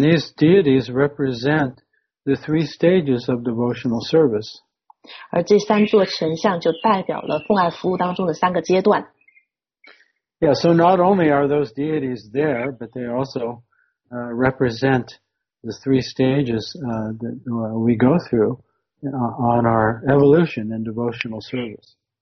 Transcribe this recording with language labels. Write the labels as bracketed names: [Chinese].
[English] these deities represent the three stages of devotional service. [Chinese] 而这3座神像就代表了奉爱服务当中的3个阶段。 [English] Yeah, so not only are those deities there, but they also represent the three stages that we go through on our evolution and devotional service.